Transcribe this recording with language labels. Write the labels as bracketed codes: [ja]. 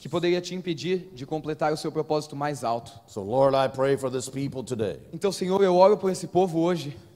[pt] Que poderia te impedir de completar o seu propósito mais alto. [en] So Lord, I pray for this people today. [pt] Então, Senhor, eu oro por esse povo hoje.